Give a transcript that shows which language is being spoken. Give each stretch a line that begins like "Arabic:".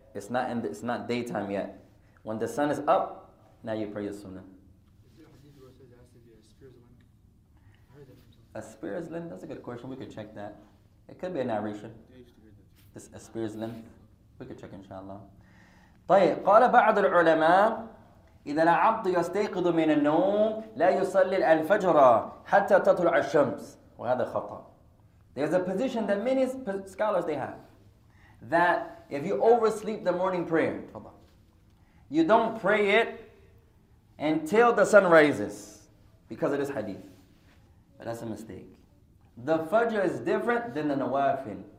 English: It's not daytime yet. When the sun is up, now you pray your sunnah. A spear's length? That's a good question. We could check that. It could be a narration. This a spear's length. We could check, inshallah.
Arabic: طيب قال بعض العلماء إذا العبد يستيقظ من النوم لا يصلي الفجر حتى تطلع الشمس وهذا خطأ.
English: There's a position that many scholars they have. That if you oversleep the morning prayer, you don't pray it until the sun rises because of this hadith. But that's a mistake. The fajr is different than the nawafil.